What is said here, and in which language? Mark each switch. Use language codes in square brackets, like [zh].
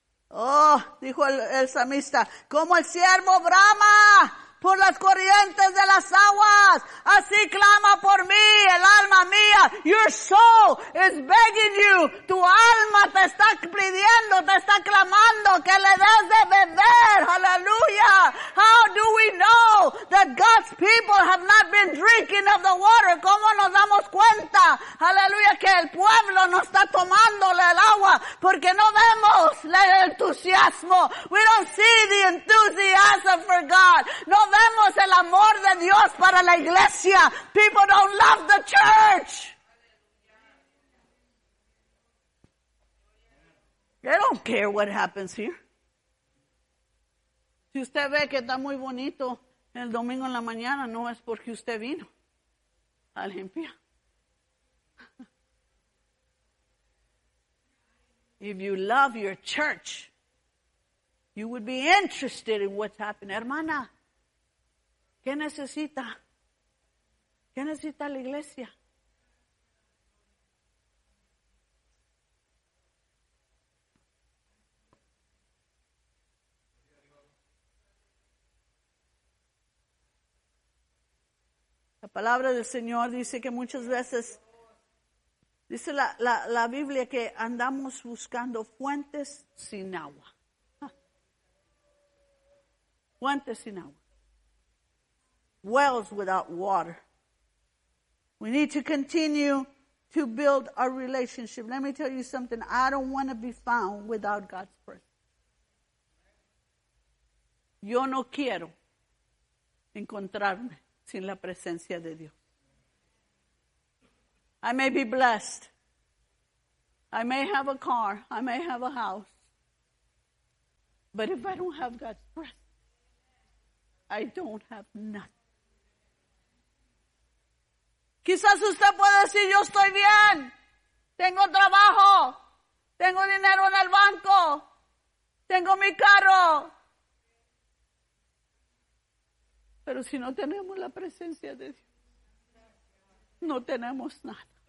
[es] Oh, dijo el salmista, como el siervo brama por las corrientes de las aguas, así clama por mí el alma mía. [en] Your soul is begging you. [es] Tu alma te está pidiendo, te está clamando que le des de beber. Aleluya. [en] How do we know that God's people have not been drinking of the water? [es] ¿Cómo nos damos cuenta? Aleluya, que el pueblo no está tomándole el agua porque no vemos el entusiasmo. [en] We don't see the enthusiasm for God. [es] No vemos el amor de Dios para la iglesia. [en] People don't love the church. They don't care what happens here. [es] Si usted ve que está muy bonito el domingo en la mañana, no es porque usted vino a limpiar. [en] If you love your church, you would be interested in what's happening. [es] Hermana, ¿qué necesita? ¿Qué necesita la iglesia? La palabra del Señor dice que muchas veces, dice la Biblia que andamos buscando fuentes sin agua. Fuentes sin agua. [en] Wells without water. We need to continue to build our relationship. Let me tell you something. I don't want to be found without God's presence. [es] Yo no quiero encontrarme sin la presencia de Dios. [en] I may be blessed. I may have a car. I may have a house. But if I don't have God's presence, I don't have nothing. [es] Quizás usted puede decir, yo estoy bien, tengo trabajo, tengo dinero en el banco, tengo mi carro. Pero si no tenemos la presencia de Dios, no tenemos nada.